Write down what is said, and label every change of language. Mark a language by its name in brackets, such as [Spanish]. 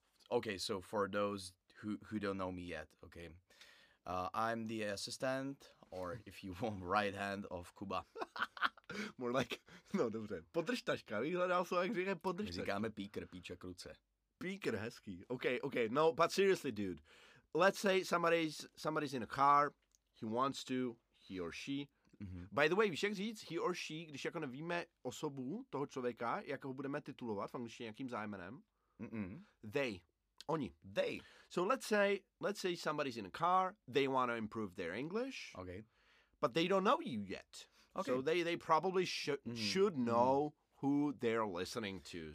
[English] Okay, so for those who don't know me yet, okay, I'm the assistant, or if you want, right hand of Kuba. More like, [Czech] no, dobře, podržtaška, vyhledal jsem, jak říkám podržtaška. Říkáme píkr, píče kruce. Píkr, hezký. [English] Okay, no, but seriously, dude, let's say somebody's in a car, he or she. Mm-hmm. [Czech] By the way, víš, jak říct [English] he or she, [Czech] když jako nevíme osobu toho člověka, jak ho budeme titulovat v angličtině nějakým zájmenem? Mm-mm. [English] They. Oni. They. So let's say somebody's in a car, they want to improve their English. Okay. But they don't know you yet. Okay. So they probably should know who they're listening to.